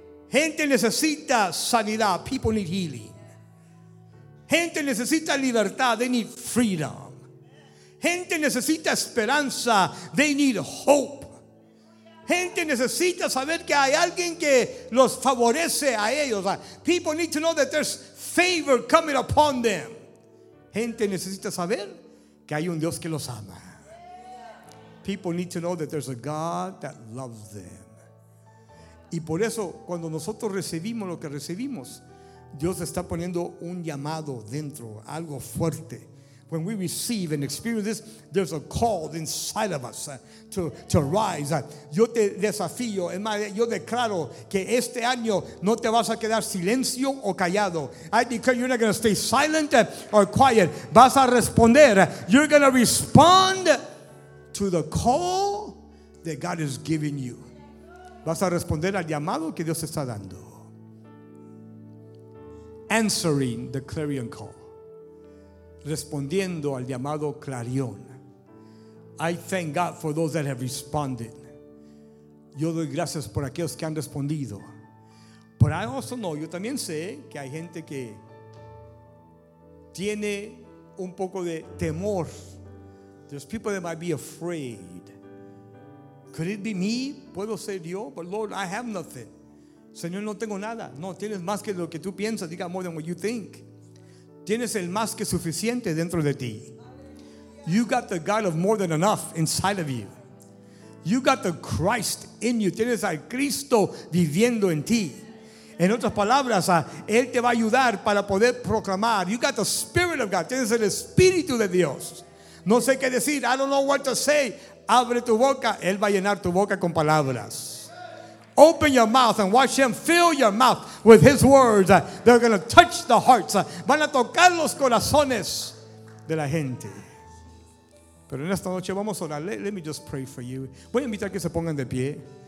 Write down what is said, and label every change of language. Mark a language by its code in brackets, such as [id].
[es] Gente necesita sanidad. [en] People need healing. [es] Gente necesita libertad. [en] They need freedom. [es] Gente necesita esperanza. [en] They need hope. [es] Gente necesita saber que hay alguien que los favorece a ellos. [en] People need to know that there's favor coming upon them. [es] Gente necesita saber que hay un Dios que los ama. [en] People need to know that there's a God that loves them. [es] Y por eso cuando nosotros recibimos lo que recibimos, Dios está poniendo un llamado dentro, algo fuerte. [en] When we receive and experience this, there's a call inside of us to rise. [es] Yo te desafío, es más, yo declaro que este año no te vas a quedar silencio o callado. [en] I declare you're not going to stay silent or quiet. [es] Vas a responder. [en] You're going to respond to the call that God has given you. [es] Vas a responder al llamado que Dios está dando. [en] Answering the clarion call. [es] Respondiendo al llamado clarión. [en] I thank God for those that have responded. [es] Yo doy gracias por aquellos que han respondido. [en] But I also know, [es] yo también sé que hay gente que tiene un poco de temor. [en] There's people that might be afraid. Could it be me? [es] Puedo ser yo? [en] But Lord, I have nothing. [es] Señor, no tengo nada. No, tienes más que lo que tú piensas. [en] You got more than what you think. [es] Tienes el más que suficiente dentro de ti. [en] You got the God of more than enough inside of you. You got the Christ in you. [es] Tienes al Cristo viviendo en ti. En otras palabras, Él te va a ayudar para poder proclamar. [en] You got the Spirit of God. [es] Tienes el Espíritu de Dios. No sé qué decir. [en] I don't know what to say. [es] Abre tu boca. Él va a llenar tu boca con palabras. [en] Open your mouth and watch him fill your mouth with his words. They're going to touch the hearts. [es] Van a tocar los corazones de la gente. Pero en esta noche vamos a orar. [en] Let me just pray for you. [es] Voy a invitar que se pongan de pie.